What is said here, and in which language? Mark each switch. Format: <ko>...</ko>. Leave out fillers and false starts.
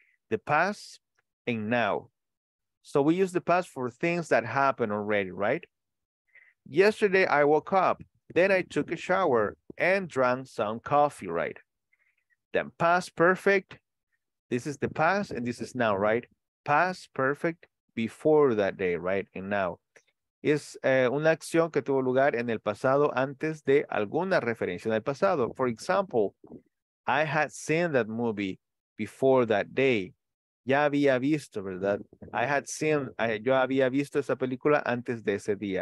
<en>The past and now. So we use the past for things that happened already, right? Yesterday I woke up, then I took a shower and drank some coffee, right? Then past perfect. This is the past and this is now, right? Past perfect before that day, right? And now.</en> <es>Es una acción que tuvo lugar en el pasado antes de alguna referencia en el pasado.</es> <en>For example, I had seen that movie before that day.</en> <es>Ya había visto, ¿verdad?</es> <en>I had seen,</en> <es>yo había visto esa película antes de ese día.</es>